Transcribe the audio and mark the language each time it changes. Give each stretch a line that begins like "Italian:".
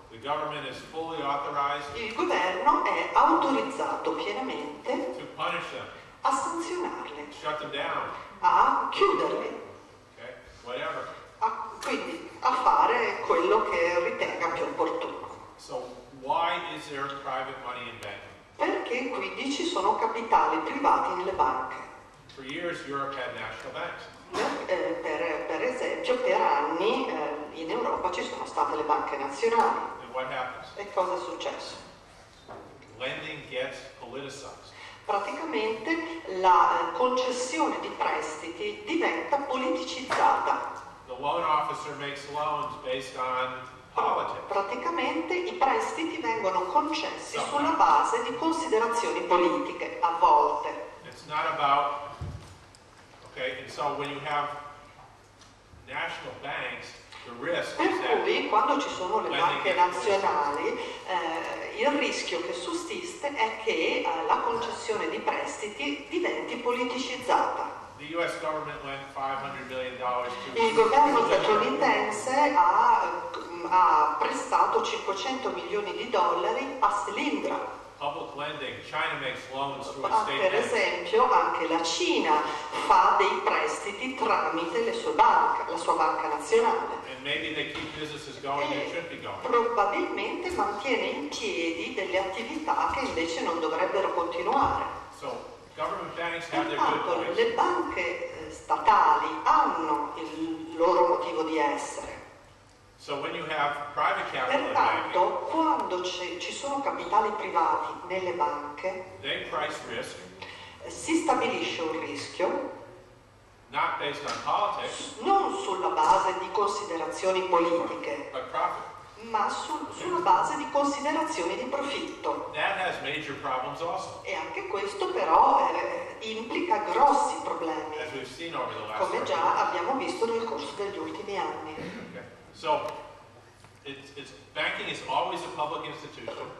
English: the government is fully authorized,
Italian: il governo è autorizzato pienamente
English: to punish them,
Italian: a sanzionarli,
English: shut them down,
Italian: a chiuderli,
English: okay, whatever.
Italian: Quindi a fare quello che ritenga più opportuno.
English: So why is there private money in banking?
Italian: Perché quindi ci sono capitali privati nelle banche?
English: For years, Europe had national banks.
Italian: Per esempio, per anni in Europa ci sono state le banche nazionali.
English: And what happens?
Italian: E cosa è successo?
English: Lending gets politicized.
Italian: Praticamente la concessione di prestiti diventa politicizzata.
English: The loan officer makes loans based on politics.
Italian: Praticamente i prestiti vengono concessi sulla base di considerazioni politiche, a volte.
English: It's not about. Okay, and so when you have national banks, the risk
Italian: per cui quando ci sono le banche nazionali, il rischio che sussiste è che la concessione di prestiti diventi politicizzata.
English: The US government lent $500 million to
Italian: il governo statunitense ha prestato 500 milioni di dollari a Slindra.
English: Public lending. China makes loans through state banks.
Italian: Per esempio, anche la Cina fa dei prestiti tramite le sue banche, la sua banca nazionale.
English: And maybe they keep businesses going that should be going.
Italian: Probabilmente mantiene in piedi delle attività che invece non dovrebbero continuare.
English: So, government banks have their good points.
Italian: Le banche statali hanno il loro motivo di essere.
English: So when you have private capital,
Italian: pertanto, quando ci sono capitali privati nelle banche,
English: they price risk,
Italian: si stabilisce un rischio
English: not based on politics,
Italian: non sulla base di considerazioni politiche, ma sulla base di considerazioni di profitto.
English: That has major problems also.
Italian: E anche questo però implica grossi problemi,
English: as we've seen over the last
Italian: come già abbiamo visto nel corso degli ultimi anni.
English: So, it's banking is always a public institution.